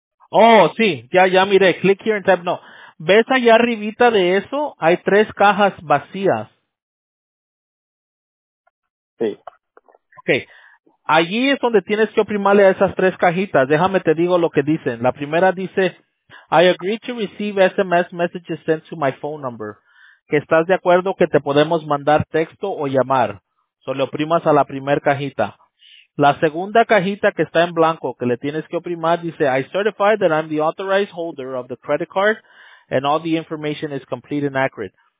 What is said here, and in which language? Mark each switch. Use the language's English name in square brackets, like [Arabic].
[Spanish] Oh, sí, ya miré, [English] click here and type, [Spanish] no. ¿Ves allá arribita de eso? Hay tres cajas vacías. Sí. Okay. Allí es donde tienes que oprimarle a esas tres cajitas. Déjame te digo lo que dicen. La primera dice, [English] I agree to receive SMS messages sent to my phone number. [Spanish] Que estás de acuerdo que te podemos mandar texto o llamar. Solo oprimas a la primer cajita. La segunda cajita que está en blanco, que le tienes que oprimar, dice, [English] I certify that I'm the authorized holder of the credit card and all the information is complete and accurate.